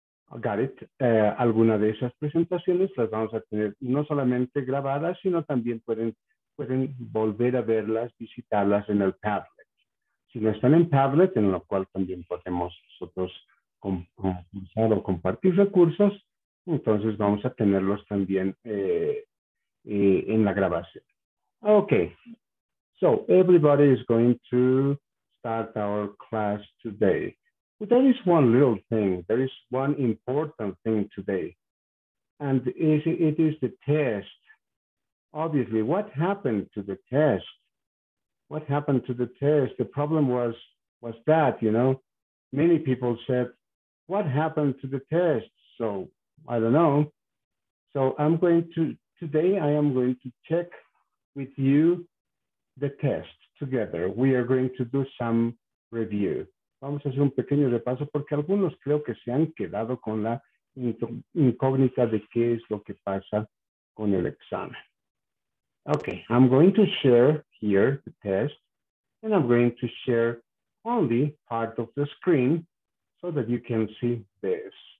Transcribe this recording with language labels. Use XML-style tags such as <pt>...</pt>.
<es>Gareth, alguna de esas presentaciones las vamos a tener no solamente grabadas, sino también pueden volver a verlas, visitarlas en el Padlet. Si no están en Padlet, en lo cual también podemos nosotros usar o compartir recursos, entonces vamos a tenerlos también en la grabación.</es> <en>Ok. So, everybody is going to start our class today. But there is one little thing, there is one important thing today, and it is the test. Obviously, what happened to the test? What happened to the test? The problem was that, you know, many people said, what happened to the test? So, I don't know. So, today I am going to check with you the test together. We are going to do some review.</en> <es>Vamos a hacer un pequeño repaso porque algunos creo que se han quedado con la incógnita de qué es lo que pasa con el examen.</es> <en>Okay, I'm going to share here the test, and I'm going to share only part of the screen so that you can see this.</en>